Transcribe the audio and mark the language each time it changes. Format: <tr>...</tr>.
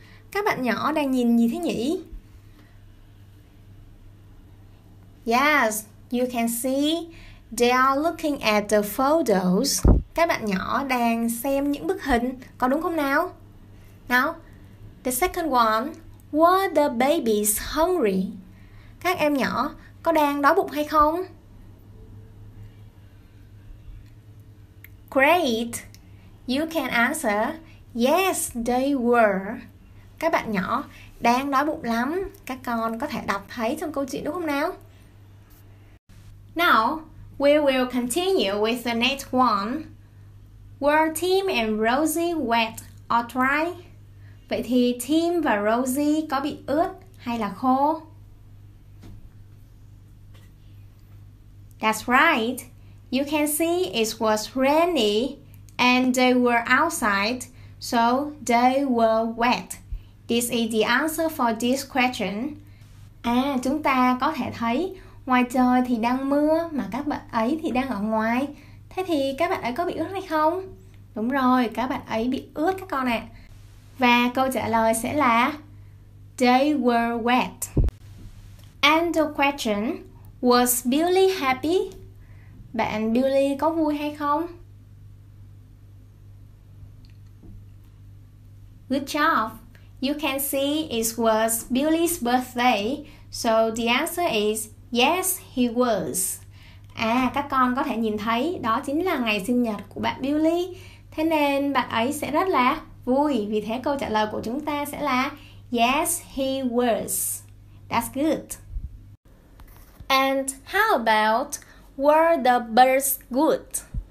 <vi>Các bạn nhỏ đang nhìn gì thế nhỉ?</vi> <en>Yes, you can see they are looking at the photos.</en> <vi>Các bạn nhỏ đang xem những bức hình, có đúng không nào?</vi> <en>Now, the second one, were the babies hungry?</en> <vi>Các em nhỏ có đang đói bụng hay không?</vi> <en>Great! You can answer, yes, they were.</en> <vi>Các bạn nhỏ đang đói bụng lắm. Các con có thể đọc thấy trong câu chuyện đúng không nào?</vi> <en>Now, we will continue with the next one. Were Tim and Rosie wet or dry?</en> <vi>Vậy thì Tim và Rosie có bị ướt hay là khô?</vi> <en>That's right. You can see it was rainy and they were outside, so they were wet. This is the answer for this question.</en> <vi>À, chúng ta có thể thấy ngoài trời thì đang mưa mà các bạn ấy thì đang ở ngoài. Thế thì các bạn ấy có bị ướt hay không? Đúng rồi, các bạn ấy bị ướt các con ạ. Và câu trả lời sẽ là</vi> <en>they were wet. And the question, was Billy happy?</en> <vi>Bạn Billy có vui hay không?</vi> <en>Good job. You can see it was Billy's birthday, so the answer is yes, he was.</en> <vi>À, các con có thể nhìn thấy đó chính là ngày sinh nhật của bạn Billy. Thế nên bạn ấy sẽ rất là vui. Vì thế câu trả lời của chúng ta sẽ là</vi> <en>yes, he was. That's good. And how about were the birds good?</en>